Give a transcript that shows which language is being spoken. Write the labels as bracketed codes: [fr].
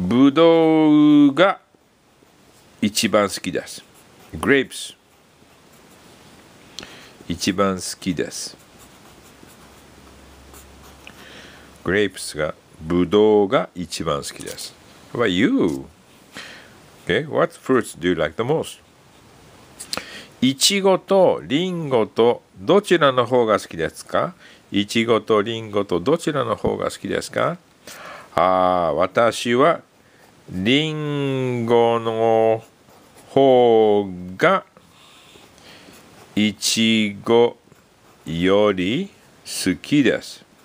[ja] ブドウが一番好きです。 [en] Grapes。 [ja] 一番好きです。グレープスが、ブドウが一番好きです。 [en] What about you? Okay, what fruits do you like the most? [ja] いちごとリンゴとどちらの方が好きですか? いちごとリンゴとどちらの方が好きですか? 私はリンゴの方がいちごより好きです。